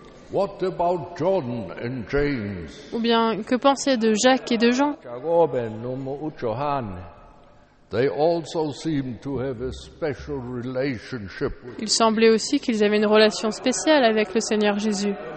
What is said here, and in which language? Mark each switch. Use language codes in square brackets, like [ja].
[en] What about John and James? [fr] Ou bien, que pensaient de Jacques et de Jean? Jacob et Johann. [en] They also seemed to have a special relationship. [fr] Il semblait aussi qu'ils avaient une relation spéciale avec le Seigneur Jésus.